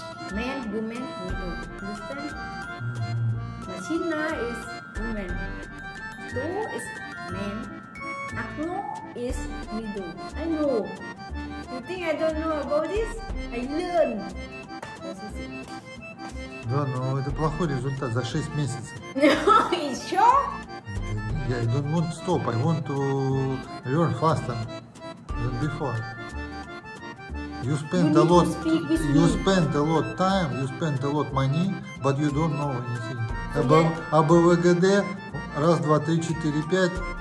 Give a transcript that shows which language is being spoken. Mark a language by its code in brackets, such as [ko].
[en] Man, woman, understand? Machine is woman. Door is man. Окно is window. I know. You think I don't know about this? I learn. [ru] Да, но это плохой результат за 6 месяцев. Еще? [en] I don't want to stop, I want to learn faster than before. You spent you a lot, you me. Spent a lot time, you spent a lot money, but you don't know anything. About [ru] АБВГД, раз, два, три, четыре, пять.